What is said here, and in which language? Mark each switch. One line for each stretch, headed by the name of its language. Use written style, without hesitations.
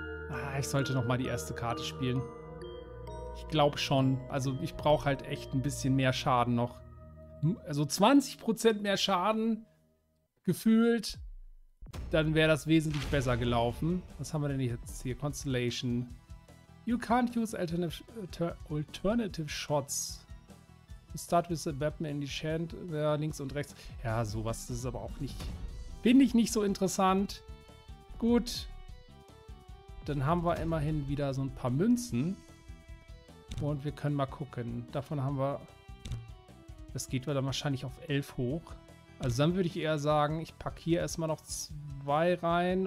German: Ah, ich sollte nochmal die erste Karte spielen. Ich glaube schon. Also ich brauche halt echt ein bisschen mehr Schaden noch. Also 20% mehr Schaden gefühlt. Dann wäre das wesentlich besser gelaufen. Was haben wir denn jetzt hier?
English: Constellation. You can't use alternative shots. You start with a weapon in the hand.
German: Ja, links und rechts. Ja, sowas. Das ist aber auch nicht... Finde ich nicht so interessant. Gut. Dann haben wir immerhin wieder so ein paar Münzen. Und wir können mal gucken. Davon haben wir... Das geht dann wahrscheinlich auf 11 hoch. Also dann würde ich eher sagen, ich packe hier erstmal noch 2 rein.